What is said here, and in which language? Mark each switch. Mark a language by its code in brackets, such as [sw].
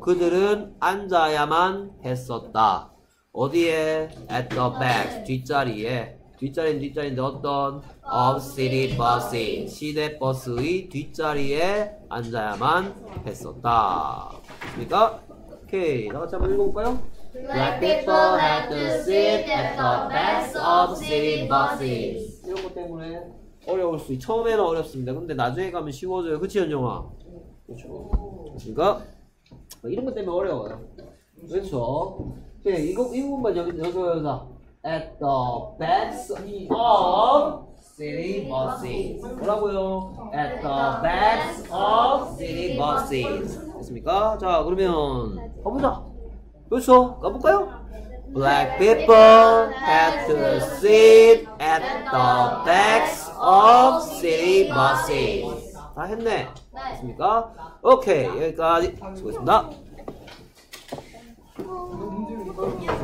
[ko] 그들은 앉아야만 했었다. 어디에? [en] at the back. [ko] 뒷자리에. 뒷자리는 뒷자리인데 어떤? [en] of city buses. [ko] 시내버스의 뒷자리에 앉아야만 했었다. 됐습니까? 오케이, 다 같이 한번 읽어볼까요? [en] Black people had to sit at the backs of city buses. [ko] 이런 것 때문에 어려울 수 있어요. 처음에는 어렵습니다. 근데 나중에 가면 쉬워져요. 그치, 현정아? 그렇죠. 됐습니까? 이런 것 때문에 어려워요. 그렇죠. 오케이, 이거, 이 부분만 여기서 [en] at the backs of city buses. [ko] 뭐라고요? [en] at the backs of city buses. [ko] 됐습니까? 자, 그러면 가보자. 그렇죠? 가볼까요? [en] Black people had to sit at the backs of city buses. [ko] 다 했네. 됐습니까? 오케이, 여기까지 수고했습니다.